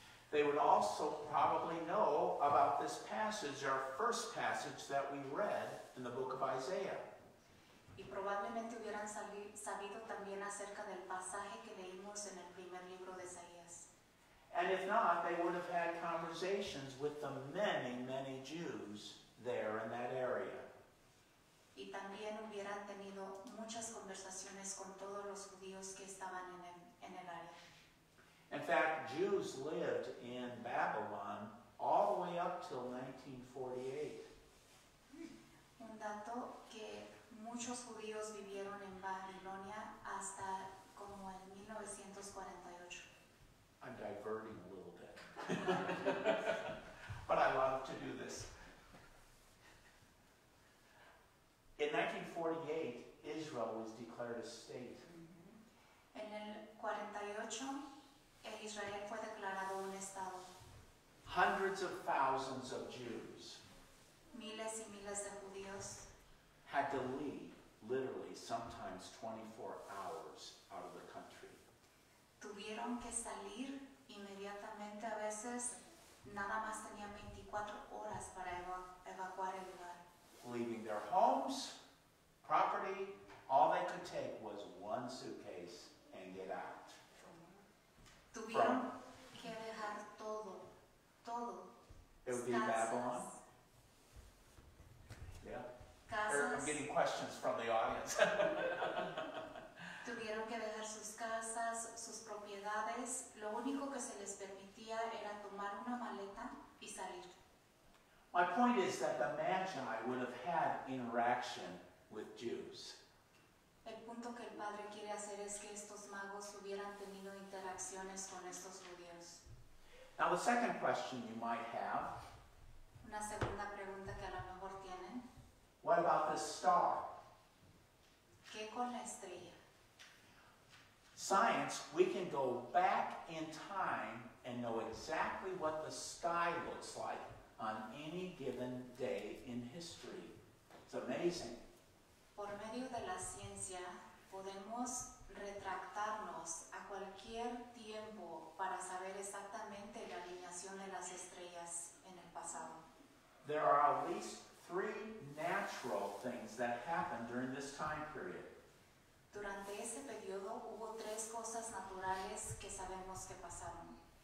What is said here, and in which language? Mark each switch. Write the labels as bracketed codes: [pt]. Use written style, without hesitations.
[en] They would also probably know about this passage, our first passage that we read in the book of Isaiah. [es] Y probablemente hubieran sabido también acerca del pasaje que leímos en el primer libro de Isaías. [en] And if not, they would have had conversations with the many, many Jews there in that area. [es] Y también hubieran tenido muchas conversaciones con todos los judíos que estaban en el área. [en] In fact, Jews lived in Babylon all the way up till 1948. [es] Un dato que muchos judíos vivieron en Babilonia hasta como en 1948. [en] I'm diverting a little bit. But I love to do this. In 1948, Israel was declared a state. [es] En el 48, Israel fue declarado un estado. [en] Hundreds of thousands of Jews. [es] Miles y miles de judíos. [en] Had to leave, literally, sometimes 24 hours out of the country. [es] Tuvieron que salir inmediatamente a veces. Nada más tenían 24 horas para evacuar el lugar. [en] Leaving their homes, property, all they could take was one suitcase and get out. [es] Tuvieron que dejar todo, todo. [en] It would be [es] casas. [en] Babylon. Yeah. [es] Casas. [en] I'm getting questions from the audience. [es] Tuvieron que dejar sus casas, sus propiedades. Lo único que se les permitía era tomar una maleta y salir. [en] My point is that the Magi would have had interaction with Jews. [es] El punto que el padre quiere hacer es que estos magos hubieran tenido interacciones con estos judíos. [en] Now the second question you might have. [es] Una segunda pregunta que a lo mejor tienen. [en] What about the star? [es] ¿Qué con la estrella? [en] Science, we can go back in time and know exactly what the sky looks like on any given day in history. It's amazing. [es] Por medio de la ciencia, podemos retractarnos a cualquier tiempo para saber exactamente la alineación de las estrellas en el pasado. [en] There are at least three natural things that happen during this time period. [es] Durante ese periodo hubo tres cosas naturales que sabemos que pasaron.